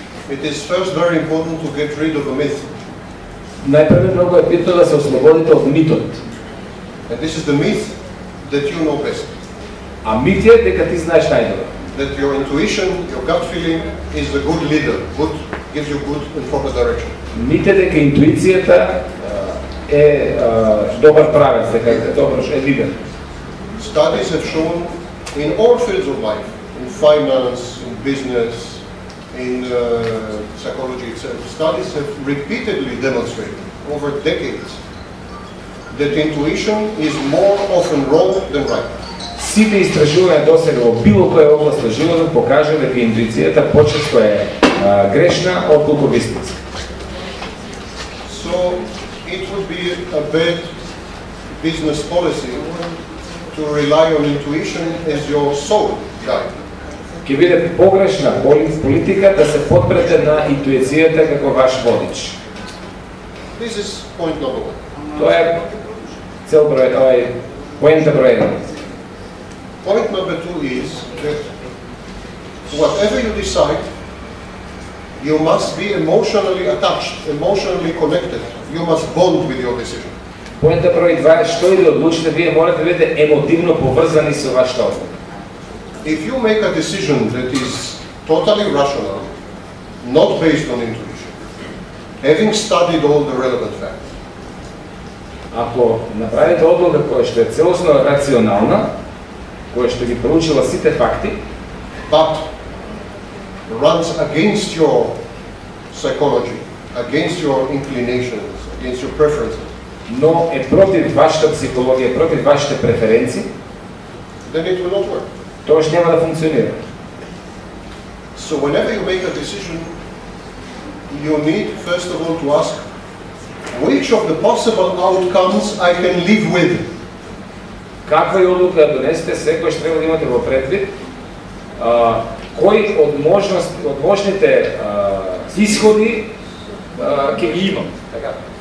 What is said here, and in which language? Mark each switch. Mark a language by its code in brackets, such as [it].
[en] It is first very important to get rid of a myth. [mk] Најпрво многу е битно да се ослободите од митот. [en] And this is the myth that you know best. [mk] А мит е дека ти знаеш најдобро. [en] That your intuition, your gut feeling is a good leader, good gives you good and focused direction. [mk] Мит е дека интуицијата е добар правец, дека е добар е лидер. [en] Studies have shown in all fields of life, in finance, in business, in psychology itself, studies have repeatedly demonstrated over decades that intuition is more often wrong than right. [mk] Сите истражувања досега во било која област на животот покажува дека интуицијата почесто е грешна отколку вистинска. [en] So it would be a bad business policy to rely on intuition as your sole guide. [mk] Ќе биде погрешна политика да се подпрете на интуицијата како ваш водич. [en] This is point number one. [mk] Тоа е цел број, тоа е поента број еден. [en] Point number two is that whatever you decide, you must be emotionally attached, emotionally connected. You must bond with your decision. [mk] Поента број два е што и да одлучите, вие морате да бидете емотивно поврзани со вашата одлука. [en] If you make a decision that is totally rational, not based on intuition, having studied all the relevant facts. [mk] Ако направите одлука која што е целосно рационална, која што ги проучила сите факти, [en] but runs against your psychology, against your inclinations, against your preferences. [mk] Но е против вашата психологија, против вашите преференции, [en] then it will not work. [mk] Тоаш нема да функционира. [en] So whenever you make a decision, you need first of all to ask which of the possible outcomes I can live with. [mk] Каква е одлука да донесете, секогаш треба да имате во предвид кои од можности, од можните исходи ќе ги имам, така?